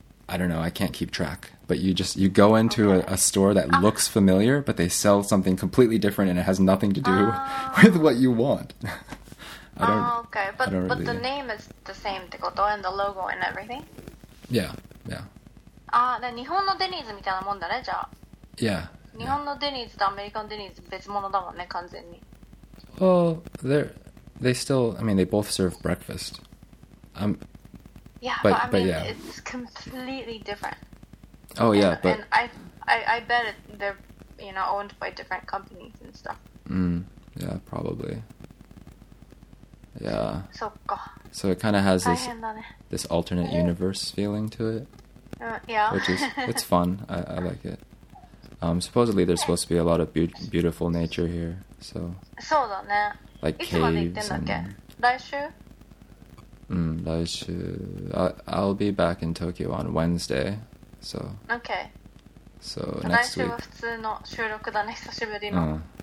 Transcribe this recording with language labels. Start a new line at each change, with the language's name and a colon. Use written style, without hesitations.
English: I don't know, I can't keep track. But you go into a store that looks familiar, but they sell something completely different and it has nothing to do with what you want. But the name is the same, and the logo and everything? Yeah, yeah.
Japanese: あ、日本のデニーズみたいなもんだね、じゃあ。いや。日本のデニーズとアメリカのデニーズ別物だもんね、完全に。
English: Well, they still, I mean, they both serve breakfast. Yeah, but I mean, it's completely different. Oh, yeah, but... And I bet they're, you know, owned by different companies and stuff. Yeah, probably. Yeah.
Japanese: そっか。
English: So it kind of has this alternate universe feeling to it. Yeah. Which is, it's fun. I like it. Supposedly there's supposed to be a lot of beautiful nature here, so.
Japanese: そうだね。
English: Like caves and...
Japanese: 来週?
English: I'll be back in Tokyo on Wednesday, so. Okay. So, next week.
Japanese: 来週は普通の収録だね、久しぶりの。